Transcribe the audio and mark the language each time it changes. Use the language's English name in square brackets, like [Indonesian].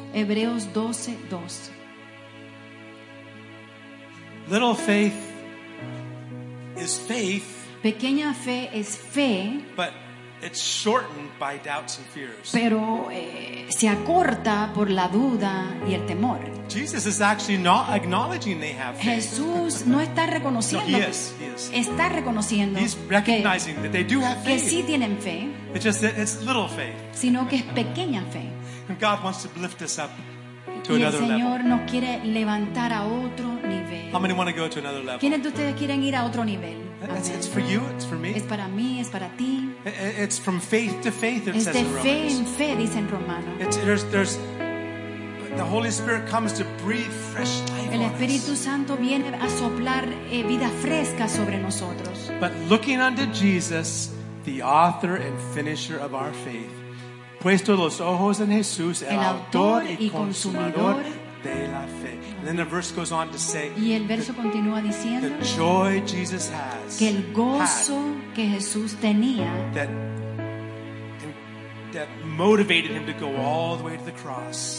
[Spanish] Hebreos 12:2. [English] Little faith is faith. [Spanish] Pequeña fe es fe. [English] But it's shortened by doubts and fears. [Spanish] Pero se acorta por la duda y el temor. [English] Jesus is actually not acknowledging they have faith. [Spanish] Jesús no está reconociendo. [English] No, he is. [Spanish] Está reconociendo. [English] He's recognizing [Spanish] que, [English] that they do have faith. [Spanish] Que sí tienen fe. [English] It's just that it's little faith. [Spanish] Sino que es pequeña fe. [English] And God wants to lift us up to [Spanish] y [English] another level. [Spanish] El Señor nos quiere levantar a otro nivel. [English] How many want to go to another level? [Spanish] ¿Quiénes de ustedes quieren ir a otro nivel? [English] It's for you, it's for me. [Spanish] Es para mí, es para ti. [English] It's from faith to faith, it [Spanish] es [English] says [Spanish] de [English] in [Spanish] fe [English] Romans. [Spanish] En fe, dice en Romano. [English] There's the Holy Spirit comes to breathe fresh life. [Spanish] El Espíritu Santo viene a soplar vida fresca sobre nosotros. [English] But looking unto Jesus, the author and finisher of our faith. [Spanish] Puesto los ojos en Jesús, el autor y consumador de la fe. [English] And then the verse goes on to say, [Spanish] y el verso continúa diciendo, [English] the joy Jesus has, [Spanish] que el gozo que Jesús tenía, [English] that motivated him to go all the way to the cross,